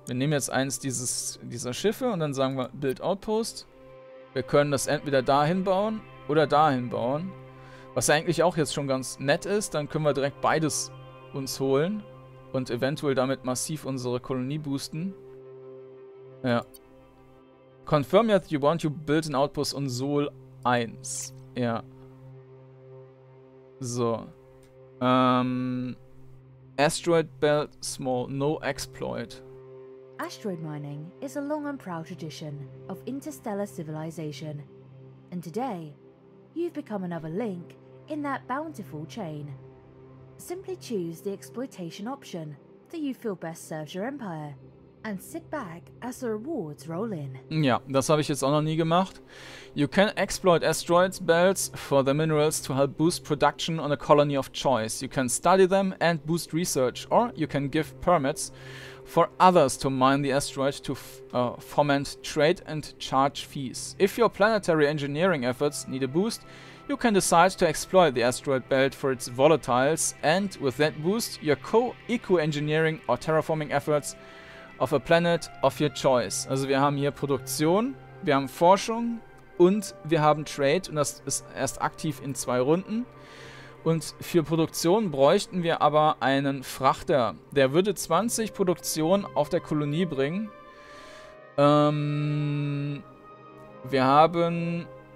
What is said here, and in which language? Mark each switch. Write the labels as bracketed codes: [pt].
[de] Wir nehmen jetzt eins dieser Schiffe und dann sagen wir Build Outpost. Wir können das entweder dahin bauen oder dahin bauen. Was eigentlich auch jetzt schon ganz nett ist, dann können wir direkt beides uns holen und eventuell damit massiv unsere Kolonie boosten. Ja. [en] Confirm yet you want to build an outpost on Sol 1. Ja. So. Asteroid Belt Small, no exploit. Asteroid mining is a long and proud tradition of interstellar civilization. And today, you've become another link in that bountiful chain. Simply choose the exploitation option that you feel best serves your empire and sit back as the rewards roll in. [de] Ja, das habe ich jetzt auch noch nie gemacht. [en] You can exploit asteroid belts for the minerals to help boost production on a colony of choice. You can study them and boost research, or you can give permits for others to mine the asteroid to foment trade and charge fees. If your planetary engineering efforts need a boost, you can decide to exploit the asteroid belt for its volatiles, and with that boost, your eco-engineering or terraforming efforts of a planet of your choice. [de] Also wir haben hier Produktion, wir haben Forschung und wir haben Trade, und das ist erst aktiv in zwei Runden. Und für Produktion bräuchten wir aber einen Frachter. Der würde 20 Produktion auf der Kolonie bringen. Wir haben...